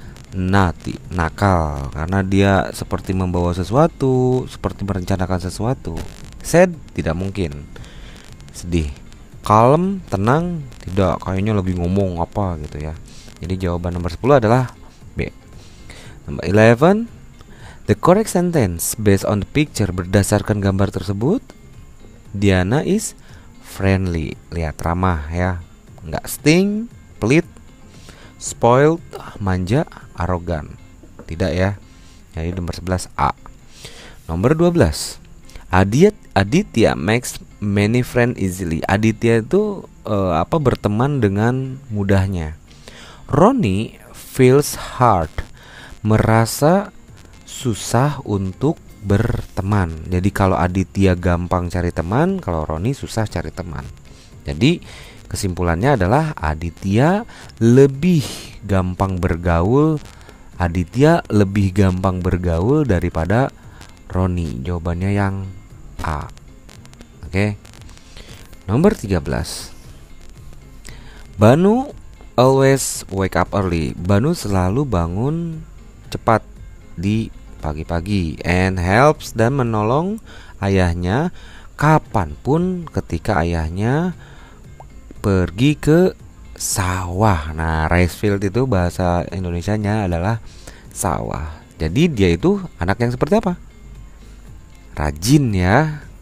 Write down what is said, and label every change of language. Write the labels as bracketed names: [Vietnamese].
[Indonesian] Nati, nakal, karena dia seperti membawa sesuatu, seperti merencanakan sesuatu. Sad, tidak mungkin. Sedih. Calm, tenang, tidak, kayaknya lagi ngomong apa gitu ya. Jadi jawaban nomor 10 adalah B. Nomor 11, [English] the correct sentence based on the picture, [Indonesian] berdasarkan gambar tersebut, [English] Diana is friendly. [Indonesian] Lihat, ramah ya. Nggak sting, pelit. Spoiled, manja, arogan. Tidak ya. Jadi nomor 11 A. Nomor 12, [English] Aditya makes many friends easily. [Indonesian] Aditya itu berteman dengan mudahnya. [English] Ronnie feels hard. [Indonesian] Merasa susah untuk berteman. Jadi kalau Aditya gampang cari teman, kalau Ronnie susah cari teman. Jadi kesimpulannya adalah Aditya lebih gampang bergaul. Aditya lebih gampang bergaul daripada Roni. Jawabannya yang A. Oke. Nomor 13, [English] Banu always wake up early. [Indonesian] Banu selalu bangun cepat di pagi-pagi. [English] And helps [Indonesian] dan menolong ayahnya kapanpun ketika ayahnya pergi ke sawah. Nah, rice field itu bahasa Indonesianya adalah sawah. Jadi dia itu anak yang seperti apa? Rajin ya,